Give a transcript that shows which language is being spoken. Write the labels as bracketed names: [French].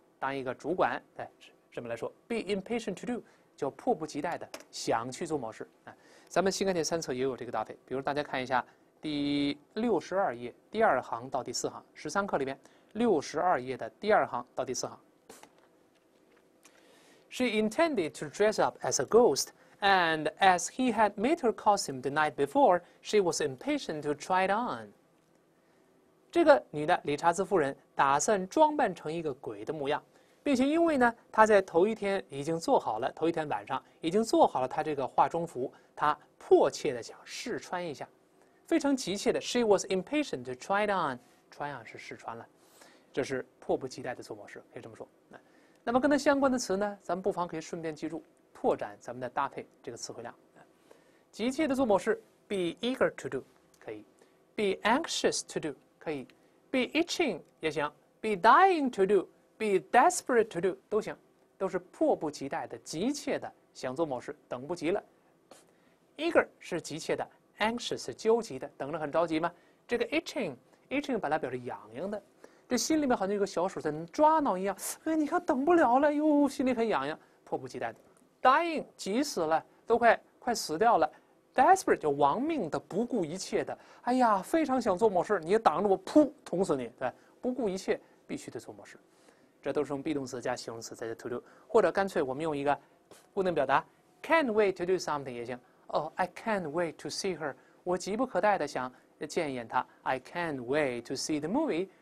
[Chinese] 当一个主管，对什么来说 ， [English] be impatient to do， [Chinese] 就迫不及待的想去做某事啊。咱们新概念三册也有这个搭配，比如大家看一下第62页第二行到第四行，13课里面62页的第二行到第四行。 [English] She intended to dress up as a ghost, and as he had made her costume the night before, she was impatient to try it on. [Chinese] 这个女的理查兹夫人打算装扮成一个鬼的模样，并且因为呢，她在头一天已经做好了，头一天晚上已经做好了她这个化妆服，她迫切的想试穿一下，非常急切的 ， [English] She was impatient to try it on. [Chinese] 穿上是试穿了，这是迫不及待的做某事，可以这么说。那么跟它相关的词呢，咱们不妨可以顺便记住，拓展咱们的搭配这个词汇量。急切的做某事 ， [English] be eager to do， [Chinese] 可以 ； [English] be anxious to do， [Chinese] 可以 ； [English] be itching [Chinese] 也行 ； [English] be dying to do， [Chinese] be desperate to do 都行，都是迫不及待的、急切的想做某事，等不及了。 eager 是急切的 ，anxious 是焦急的，等着很着急嘛。这个 itching 本来表示痒痒的。这心里面好像有个小手在抓挠一样，哎，你看等不了了，哟，心里很痒痒，迫不及待的 ，dying 急死了，都快死掉了 ，desperate 就亡命的，不顾一切的，哎呀，非常想做某事，你也挡着我，噗，捅死你，对，不顾一切，必须得做某事，这都是用 be 动词加形容词再加 to do， 或者干脆我们用一个固定表达 ， [English] can't wait to do something [Chinese] 也行，哦 ， [English] I can't wait to see her， [Chinese] 我急不可待的想见一眼她 ， [English] I can't wait to see the movie。